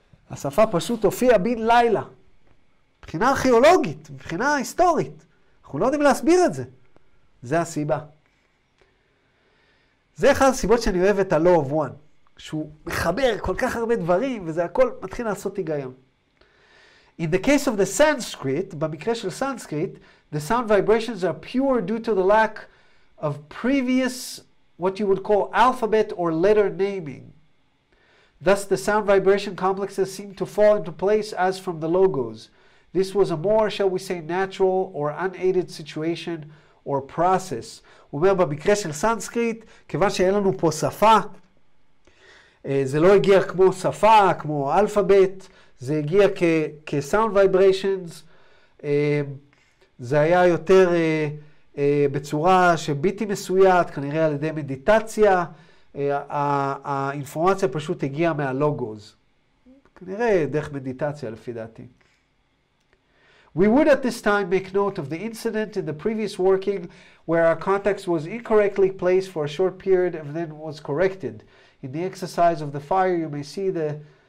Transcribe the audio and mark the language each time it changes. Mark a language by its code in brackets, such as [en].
[he] השפה פשוט הופיעה בין לילה. מבחינה ארכיאולוגית, מבחינה היסטורית. אנחנו לא יודעים להסביר את זה. זה הסיבה. זה אחד הסיבות שאני אוהב את ה-Law of One. שהוא מחבר כל כך הרבה דברים וזה הכל מתחיל לעשות היגיון. [en] In the case of the Sanskrit, [he] במקרה של סנסקריט, [en] the sound vibrations are pure due to the lack of previous, what you would call, alphabet or letter naming. Thus, the sound vibration complexes seem to fall into place as from the logos. This was a more, shall we say, natural or unaided situation or process. [he] הוא אומר, במקרה של סנסקריט, כיוון שאין לנו פה שפה, זה לא הגיע כמו שפה, כמו אלפאבט, זה הגיע כ- [en] sound vibrations, [he] זה היה יותר בצורה שביטי מסוית, כנראה על ידי מדיטציה, האינפורמציה פשוט הגיעה מהלוגוז. כנראה דרך מדיטציה לפי דעתי. [en] We would at this time make note of the incident in the previous working where our context was incorrectly placed for a short period and then was corrected. In the exercise of the fire you may see the...